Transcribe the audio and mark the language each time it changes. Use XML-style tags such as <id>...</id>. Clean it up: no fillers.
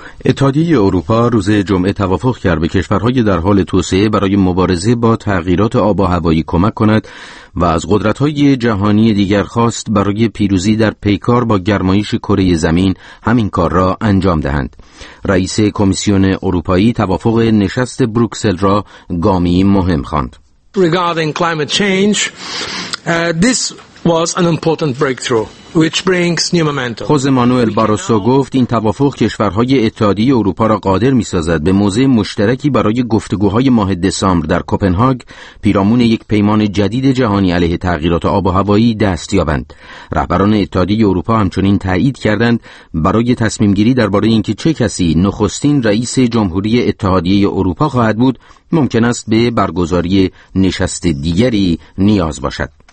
<fa>اتحادیه اروپا روز جمعه توافق کرد به کشورهای در حال توسعه برای مبارزه با تغییرات آب و هوایی کمک کند و از قدرت‌های جهانی دیگر خواست برای پیروزی در پیکار با گرمایش کره زمین همین کار را انجام دهند. رئیس کمیسیون اروپایی توافق نشست بروکسل را گامی مهم خواند.</fa> <en>Regarding climate change, this was an important breakthrough, which brings new momentum.</en> <fa>خوزه مانوئل باروسو گفت این توافق کشورهای اتحادیه اروپا را قادر می‌سازد به موضع مشترکی برای گفتگوهای ماه دسامبر در کوپنهاگ پیرامون یک پیمان جدید جهانی علیه تغییرات آب و هوایی دست یابند. رهبران اتحادیه اروپا همچنین تایید کردند برای تصمیم گیری درباره اینکه چه کسی نخستین رئیس جمهوری اتحادیه اروپا خواهد بود، ممکن است به برگزاری نشست دیگری نیاز باشد.</fa>